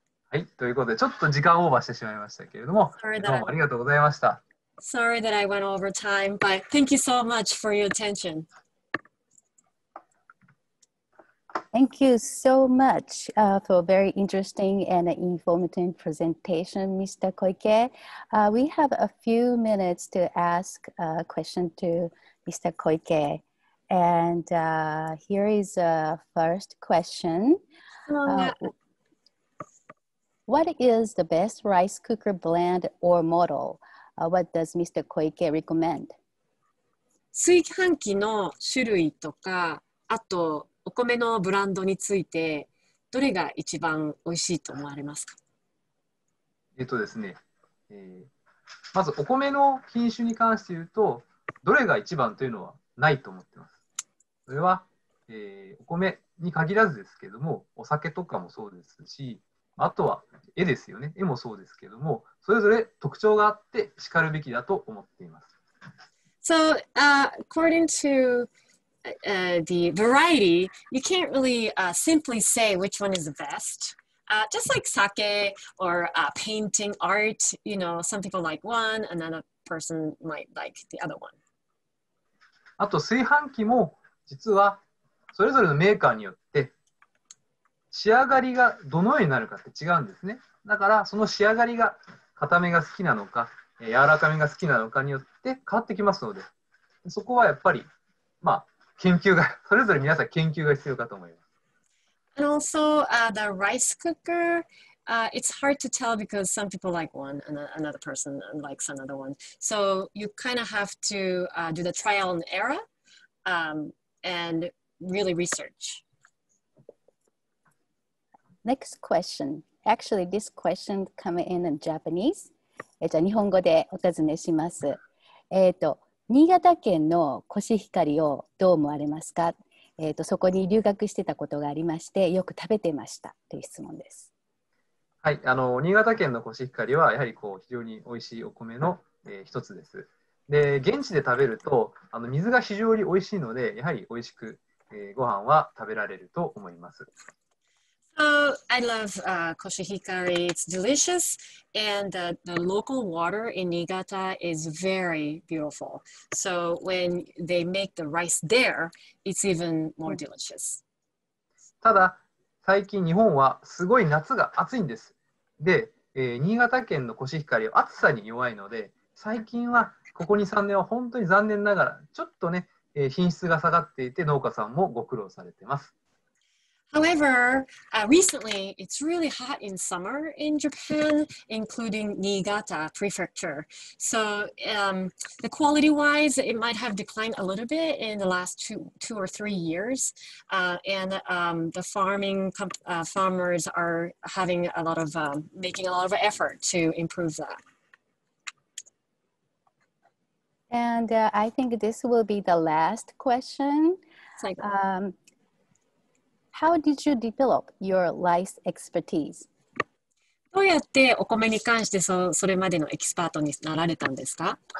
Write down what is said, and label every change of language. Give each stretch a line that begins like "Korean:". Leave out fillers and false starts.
Japanese: はい、ということでちょっと時間オーバーしてしまいましたけれども、どうもありがとうございました。
English: Sorry that I went over time, but thank you so much for your attention. Thank you so much for a very interesting and informative presentation, Mr. Koike. We have a few minutes to ask a question to Mr. Koike. And here is a first question. What is the best rice cooker brand or model? What does Mr. Koike recommend?
Japanese: 炊飯器の種類とか、あとお米のブランドについて、どれが一番おいしいと思われますか？ですね、まずお米の品種に関して言うと、どれが一番というのはないと思ってます。それは、お米に限らずですけども、お酒とかもそうですし、あとは絵ですよね、絵もそうですけども、それぞれ特徴があって叱るべきだと思っています。
English: So, according to the variety, you can't really simply say which one is the best. Just like sake or painting art, you know, some people like one, another person might like the other one.
Japanese: あと炊飯器も実はそれぞれのメーカーによって仕上がりがどのようになるかって違うんですね。だからその仕上がりが固めが好きなのか柔らかめが好きなのかによって変わってきますので、そこはやっぱり、まあ、研究がそれぞれ皆さん研究が必要かと思います。
English: And also, the rice cooker, it's hard to tell because some people like one and another person likes another one. So you kind of have to do the trial and error. And really research. Next question. Actually, this question comes in Japanese.
Japanese: じゃあ日本語でお尋ねします。新潟県のコシヒカリをどう思われますか？そこに留学してたことがありまして、よく食べてましたという質問です。はい、新潟県のコシヒカリはやはりこう非常に美味しいお米の、一つです。で現地で食べると水が非常に美味しいので、やはり美味しく、ご飯は食べられると思います。
English: So I love Koshihikari. It's delicious. And the local water in Niigata is very beautiful. So when they make the rice there, it's even more delicious.
Japanese: ただ、最近日本はすごい夏が暑いんです。で、新潟県のコシヒカリは暑さに弱いので、最近はここ2、3年は本当に残念ながら、ちょっとね、品質が下がっていて、農家さんもご苦労されています。
English: However, recently, it's really hot in summer in Japan, including Niigata Prefecture. So, the quality-wise, it might have declined a little bit in the last two or three years. The farming farmers are having a lot of, making a lot of effort to improve that. And I think this will be the last question. How did you develop your rice expertise?
Japanese: どうやってお米に関して それまでのエキスパートになられたんですか？